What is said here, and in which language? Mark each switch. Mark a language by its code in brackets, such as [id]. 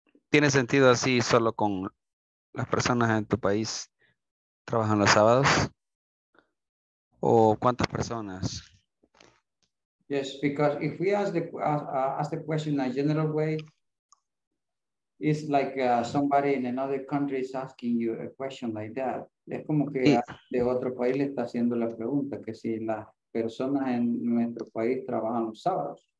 [es] ¿Tiene sentido así solo con las personas en tu país trabajan los sábados? ¿O cuántas personas? [en] Yes, because if we ask the question in a general way, it's like somebody in another country is asking you a question like that. [es] Es como que de otro país le está haciendo la pregunta, que si las personas en nuestro país trabajan los sábados.